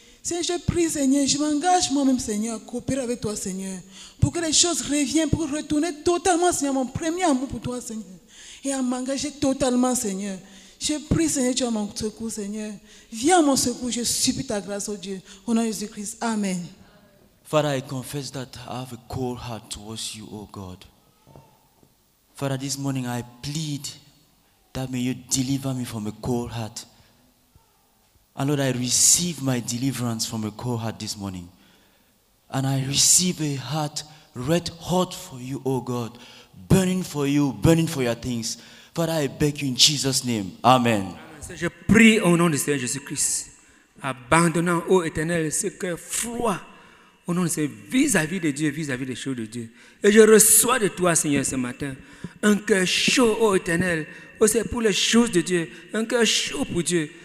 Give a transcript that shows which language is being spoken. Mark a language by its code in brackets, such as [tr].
[fr] Seigneur, je prie, Seigneur, je m'engage moi-même, Seigneur, à coopérer avec toi, Seigneur, pour que les choses reviennent, pour retourner totalement, Seigneur, mon premier amour pour toi, Seigneur, et à m'engager totalement, Seigneur. Je prie, Seigneur, tu as mon secours, Seigneur. Viens à mon secours, je supplie ta grâce, oh Dieu. Au nom de Jésus-Christ, amen. [en] Father, I confess that I have a cold heart towards you, oh God. Father, this morning I plead that may you deliver me from a cold heart. And Lord, I receive my deliverance from a cold heart this morning. And I receive a heart red hot for you, oh God. Burning for you, burning for your things. Father, I beg you in Jesus' name. Amen. [fr] Je prie au nom du Seigneur Jésus-Christ, abandonnant, ô éternel, ce cœur froid au nom de Seigneur, vis-à-vis de Dieu, vis-à-vis des choses de Dieu. Et je reçois de toi, Seigneur, ce matin, un cœur chaud, ô éternel, aussi pour les choses de Dieu, un cœur chaud pour Dieu.